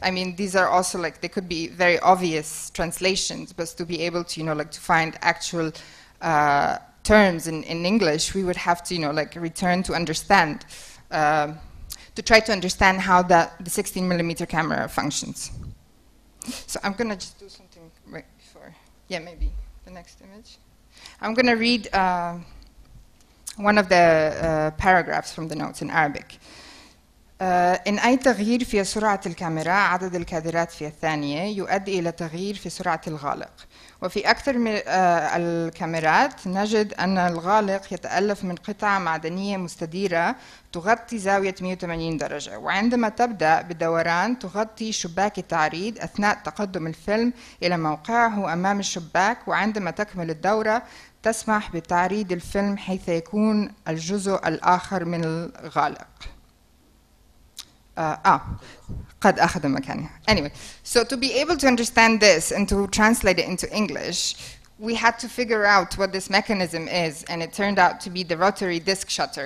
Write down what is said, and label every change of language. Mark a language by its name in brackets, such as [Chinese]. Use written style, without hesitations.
[English] I mean, these are also like, they could be very obvious translations, but to be able to, you know, like to find actual terms in English, we would have to, you know, like return to understand, to try to understand how the 16mm camera functions. So I'm gonna just do something right before, yeah, maybe the next image. I'm gonna read one of the paragraphs from the notes in Arabic. [Arabic] إن أي تغيير في سرعة الكاميرا عدد الكادرات في الثانية يؤدي إلى تغيير في سرعة الغالق وفي أكثر من الكاميرات نجد أن الغالق يتألف من قطع معدنية مستديرة تغطي زاوية 180 درجة وعندما تبدأ بدوران تغطي شباك التعريض أثناء تقدم الفيلم إلى موقعه أمام الشباك وعندما تكمل الدورة تسمح بتعريض الفيلم حيث يكون الجزء الآخر من الغالق. قد أخذ مكانها. [English] Anyway, so to be able to understand this and to translate it into English, we had to figure out what this mechanism is, and it turned out to be the rotary disc shutter.